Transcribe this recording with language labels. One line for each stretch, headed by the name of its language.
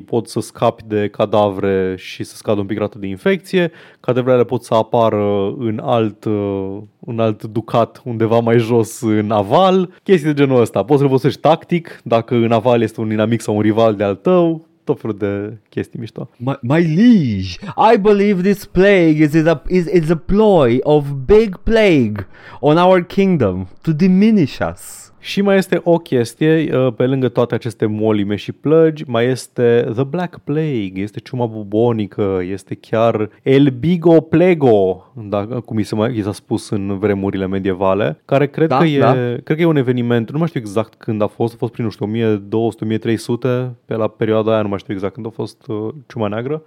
Romanian: Pot să scapi de cadavre și să scadă un pic rata de infecție. Cadavrele pot să apară în alt ducat undeva mai jos în aval. Chestii de genul ăsta. Poți să folosești tactic dacă în aval este un inamic sau un rival de-al tău. Tot felul de chestii mișto.
English: My liege, I believe this plague is a ploy of big plague on our kingdom to diminish us.
Romanian: Și mai este o chestie, pe lângă toate aceste molime și plăgi, mai este
English: the black plague,
Romanian: este ciuma bubonică, este chiar el bigo plego, cum i s-a spus în vremurile medievale, care cred că e un eveniment, nu mai știu exact când a fost prin, nu știu, 1200-1300, pe la perioada aia, nu mai știu exact când a fost ciuma neagră.